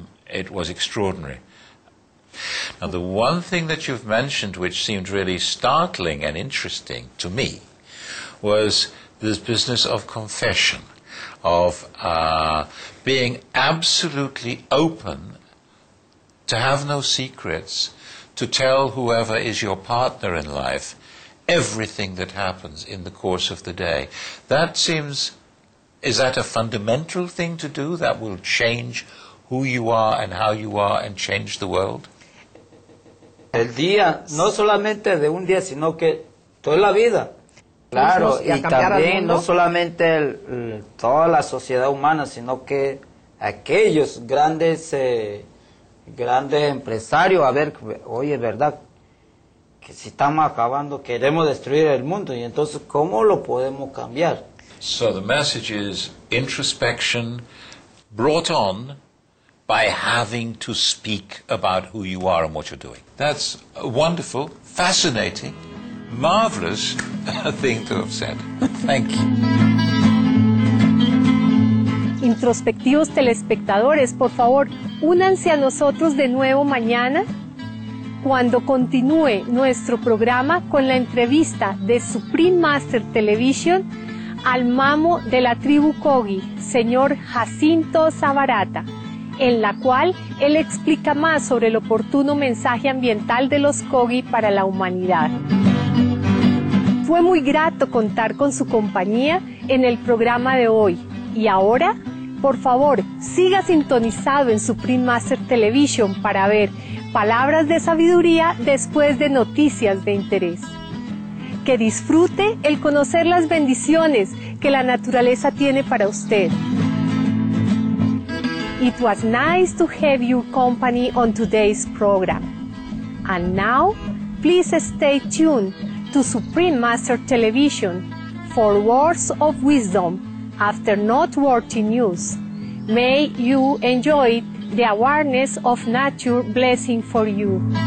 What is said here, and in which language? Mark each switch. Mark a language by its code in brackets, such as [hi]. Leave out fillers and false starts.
[en] It was extraordinary. Now, the one thing that you've mentioned which seemed really startling and interesting to me was this business of confession, of being absolutely open, to have no secrets, to tell whoever is your partner in life everything that happens in the course of the day. That seems, is that a fundamental thing to do that will change who you are and how you are and change the world? [es] El día, no solamente de un día, sino que toda la vida. Claro, y también no solamente toda la sociedad humana, sino que aquellos grandes, grandes empresarios, a ver, oye, ¿verdad? Que si estamos acabando, queremos destruir el mundo, y entonces, ¿cómo lo podemos cambiar? [en] So the message is introspection brought on by having to speak about who you are and what you're doing. That's a wonderful, fascinating, marvelous thing to have said. Thank you. [es] Introspectivos telespectadores, por favor, únanse a nosotros de nuevo mañana cuando continúe nuestro programa con la entrevista de Supreme Master Television al mamo de la tribu Kogi, señor Jacinto Zabarata, en la cual él explica más sobre el oportuno mensaje ambiental de los Kogi para la humanidad. Fue muy grato contar con su compañía en el programa de hoy, y ahora Por favor, siga sintonizado en Supreme Master Television para ver Palabras de Sabiduría después de Noticias de Interés. Que disfrute el conocer las bendiciones que la naturaleza tiene para usted. [en] It was nice to have your company on today's program. And now, please stay tuned to Supreme Master Television for words of wisdom after noteworthy news. May you enjoy the awareness of nature blessing for you.